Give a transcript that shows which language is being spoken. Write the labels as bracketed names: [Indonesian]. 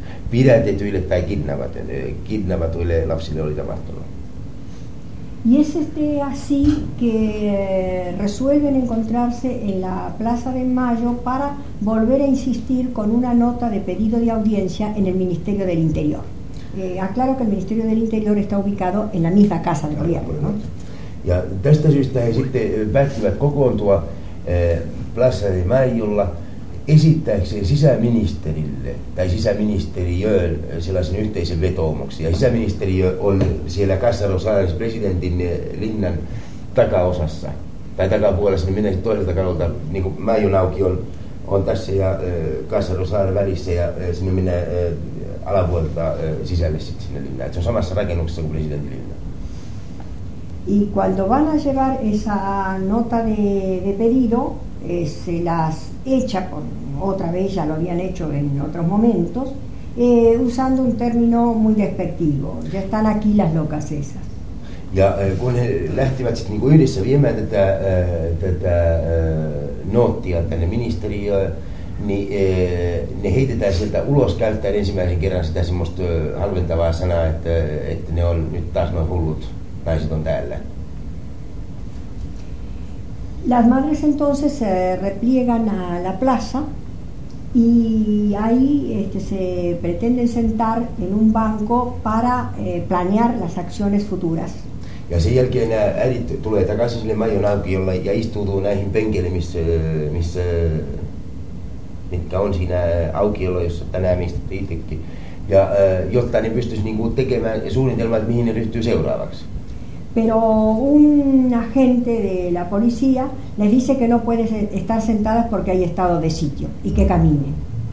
[Finnish] Pidätetyille tai kidnappatuille lapsille oli tapahtunut. [Spanish] Y es así que resuelven encontrarse en la Plaza de Mayo para volver a insistir con una nota de pedido de audiencia en el Ministerio del Interior. Aclaro que el Ministerio del Interior está ubicado en la misma casa del gobierno, ¿no? [Finnish] Ja tästä syystä he sitten päättivät kokoontua Plaza de Mayolla esittääkseen sisäministerille tai sisäministeriöön sellaisen yhteisen vetoomuksen. Ja sisäministeriö on siellä Kassaros-Aires presidentin linnan takaosassa tai takapuolessa, niin menee toiselta kadulta, niin kuin Maijun auki on tässä ja Kassaros-Aires välissä, ja sinne menee alapuolelta sisälle sitten sinne linnaan. Et se on samassa rakennuksessa kuin presidentin linna. [Spanish] Y cuando van a llevar esa nota de pedido, se las echa, por otra vez ya lo habían hecho en otros momentos, usando un término muy despectivo: ya están aquí las locas esas. [Finnish] Ja kun he lähtivät sitten niinku yhdessä viemään tätä noottia tänne ministeriöön, niin ne heitetään sieltä ulos käyttäen ensimmäisen kerran sitä semmoista halventavaa sanaa, että ne on nyt taas noin hullut naiset on täällä. [Spanish] Las madres entonces se repliegan a la plaza y ahí se pretenden sentar en un banco para planear las acciones futuras. [Finnish] Ja sen jälkeen äidit tulee takaisin sinne majon aukiolle ja istuutuu näihin penkeille, missä mitkä on siinä aukiolla, jossa tänään mistä itsekin. Ja jotta ne pystyisi niin kuin tekemään suunnitelmat, mihin ne ryhtyy seuraavaksi. [Spanish] Pero un agente de la policía les dice que no puede estar sentadas porque hay estado de sitio y que caminen.